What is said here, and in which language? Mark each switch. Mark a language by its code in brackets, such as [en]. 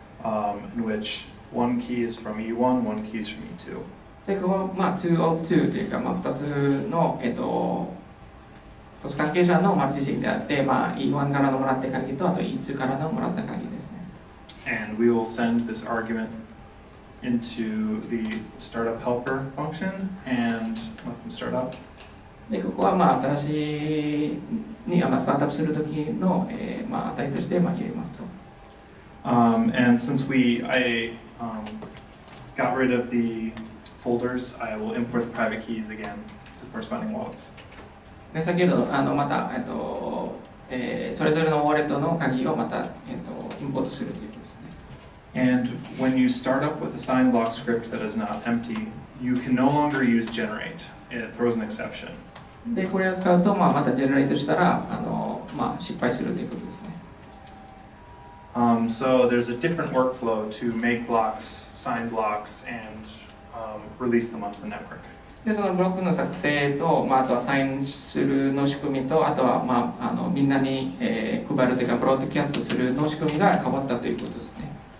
[en] In which one key is from E1, one key is from E2. [ja] で、ここは、まあ、2 of 2というか、まあ、2つの、2つ関係者のマルチシグであって、まあ、E1 からのもらった鍵と、あと E2 からのもらった鍵ですね。 [en] And we will send this argument into the startup helper function and let them start up. [ja] でここはまあ新しいにまあスタートアップするときの、まあ値としてまあ入れますと。 [en] And since we I got rid of the folders, I will import the private keys again to corresponding wallets. [ja] で先ほどまたそれぞれのウォレットの鍵をまたインポートするということですね。 [en] And when you start up with a signed block script that is not empty, you can no longer use generate. It throws an exception. [ja] でこれを使うと、まあ、またジェネレートしたら、まあ、失敗するということですね。 [en] So there's a different workflow to make blocks, sign blocks, and release them onto the network. [ja] でそのブロックの作成と、まあ、あとはサインするの仕組みと、あとは、まあ、みんなに、配るというか、ブロードキャストするの仕組みが変わったということですね。